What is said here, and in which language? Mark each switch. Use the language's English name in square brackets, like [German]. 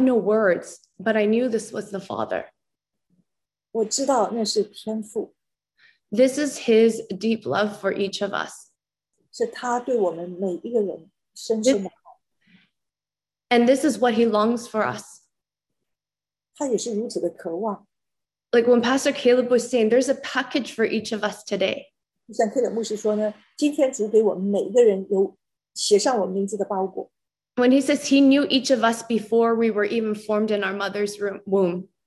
[English] no words, but I knew this was the Father. [Chinese] 我知道那是天父。 [English] This is his deep love for each of us. [Chinese] 是他对我们每一个人深深的爱。 [English] And this is what he longs for us. [Chinese] 他也是如此的渴望。 [English] Like when Pastor Caleb was saying, there's a package for each of us today. [Chinese] 就像Caleb牧师说呢，今天主给我们每一个人有写上我们名字的包裹。 [English] When he says he knew each of us before we were even formed in our mother's womb.